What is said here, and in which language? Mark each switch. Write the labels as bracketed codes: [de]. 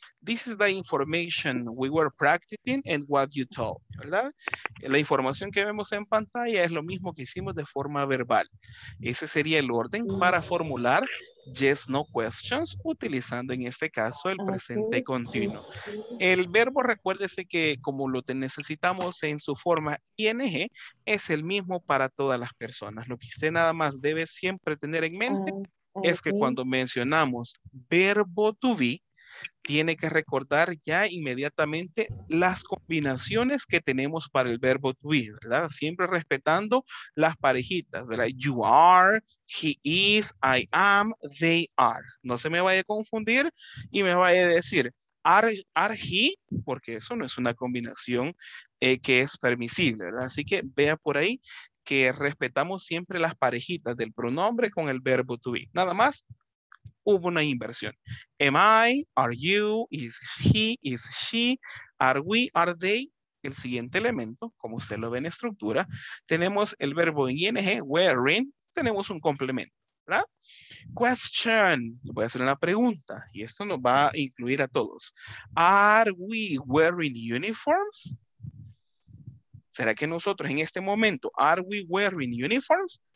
[en] This is the information we were practicing and what you told, ¿verdad? [es] La información que vemos en pantalla es lo mismo que hicimos de forma verbal. Ese sería el orden para formular yes, no questions, utilizando en este caso el presente continuo. El verbo, recuérdese que como lo necesitamos en su forma ING, es el mismo para todas las personas. Lo que usted nada más debe siempre tener en mente es que cuando mencionamos verbo to be, tiene que recordar ya inmediatamente las combinaciones que tenemos para el verbo to be, ¿verdad? Siempre respetando las parejitas, ¿verdad? [en] You are, he is, I am, they are. [es] No se me vaya a confundir y me vaya a decir, [en] are he, [es] porque eso no es una combinación que es permisible, ¿verdad? Así que vea por ahí que respetamos siempre las parejitas del pronombre con el verbo to be. Nada más, hubo una inversión. [en] Am I, are you, is he, is she, are we, are they. [es] El siguiente elemento, como usted lo ve en estructura, tenemos el verbo en ing, wearing, tenemos un complemento, ¿verdad? Question, le voy a hacer una pregunta, y esto nos va a incluir a todos. [en] Are we wearing uniforms? [es] ¿Será que nosotros en este momento, [en] are we wearing uniforms?